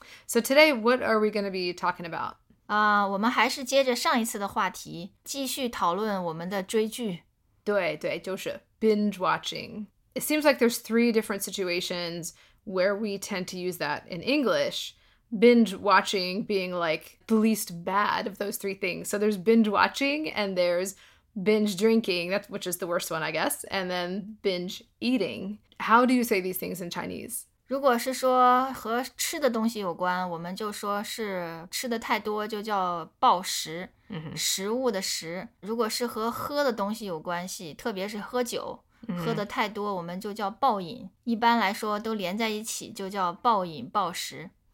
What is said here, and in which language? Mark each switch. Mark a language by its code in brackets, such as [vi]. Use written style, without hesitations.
[en] So today, what are we going to be talking about? [zh] 我们还是接着上一次的话题，继续讨论我们的追剧。对对，就是 binge watching. [en] It seems like there's three different situations where we tend to use that in English. Binge watching being like the least bad of those three things. So there's binge watching and there's binge drinking, which is the worst one, I guess, and then binge eating. How do you say these things in Chinese? [zh] 如果是说和吃的东西有关，我们就说是吃的太多，就叫暴食，食物的食。如果是和喝的东西有关系，特别是喝酒，喝的太多，我们就叫暴饮。一般来说都连在一起，就叫暴饮暴食。